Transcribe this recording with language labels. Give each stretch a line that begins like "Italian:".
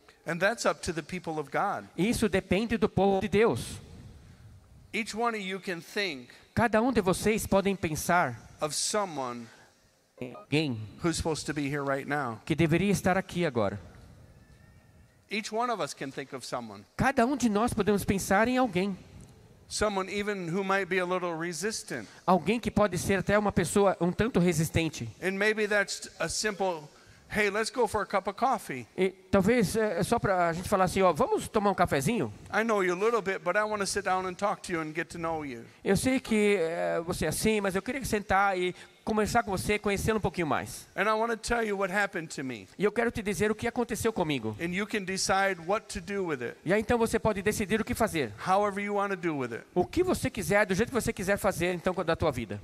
English: And that's up to the people of God.
Portuguese: Isso depende do povo de Deus.
English: Each one of you can think,
Portuguese: cada um de vocês podem pensar
English: of someone,
Portuguese: alguém
English: who's supposed to be here right now.
Portuguese: Que deveria estar aqui agora.
English: Each one of us can think of someone.
Portuguese: Cada um de nós podemos pensar em alguém.
English: Someone even who might be a little resistant.
Portuguese: Alguém que pode ser até uma pessoa um tanto resistente.
English: And maybe that's a simple, hey, let's go for a cup of coffee.
Portuguese: E talvez é só para a gente falar assim, ó, vamos tomar um cafezinho?
English: I know you a little bit, but I want to sit down and talk to you and get to know you.
Portuguese: Eu sei que você é assim, mas eu queria sentar e conversar com você, conhecê-lo um pouquinho mais.
English: And I want to tell you what happened to me.
Portuguese: E eu quero te dizer o que aconteceu comigo.
English: And you can decide what to do with it.
Portuguese: E aí então você pode decidir o que fazer.
English: However you want to do with it.
Portuguese: O que você quiser, do jeito que você quiser fazer então com a tua vida.